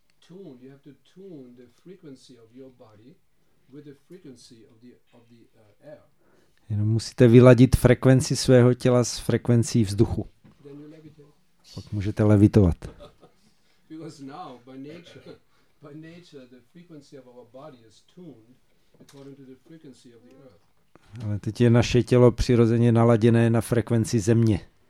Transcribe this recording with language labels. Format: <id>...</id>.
<en>You have to tune the frequency of your body with the frequency of the air.</en> <cs>Jenom musíte vyladit frekvenci svého těla s frekvencí vzduchu. Pak můžete levitovat.</cs> <en>Because now by nature the frequency of our body is tuned according to the frequency of the earth.</en> <cs>Ale teď je naše tělo přirozeně naladěné na frekvenci země.</cs>